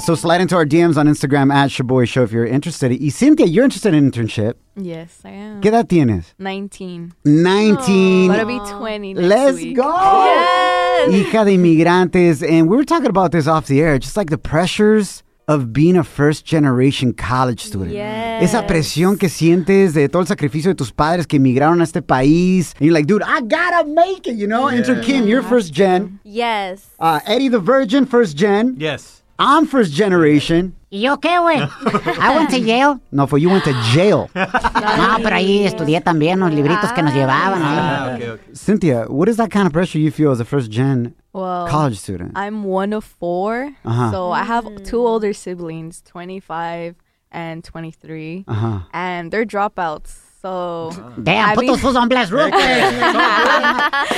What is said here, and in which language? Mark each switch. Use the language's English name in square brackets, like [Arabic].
[English] So slide into our DMs on Instagram at Sha'Boy Show if you're interested. [Spanish] Y Cynthia, [English] you're interested in internship. Yes, I am. [Spanish] ¿Qué edad tienes? [English] 19. Aww, but it'll be 20 next Let's week. Go! Yes! [Spanish] Hija de inmigrantes. [English] And we were talking about this off the air, just like the pressures of being a first-generation college student. Yes. [Spanish] Esa presión que sientes de todo el sacrificio de tus padres que emigraron a este país. [English] And you're like, dude, I gotta make it, you know? Yeah. Enter Kim, you're first gen. Yes. Eddie the Virgin, first gen. Yes. I'm first generation. [Spanish] ¿Y yo qué, güey? [English] I went to Yale. No, for you went to jail. [Spanish] No, pero ahí estudié también los libritos que nos llevaban. [English] Ah, okay. Cynthia, what is that kind of pressure you feel as a first gen college student? I'm one of four. Uh-huh. So I have two older siblings, 25 and 23. Uh-huh. And they're dropouts. So damn, I put those fools on blast real quick.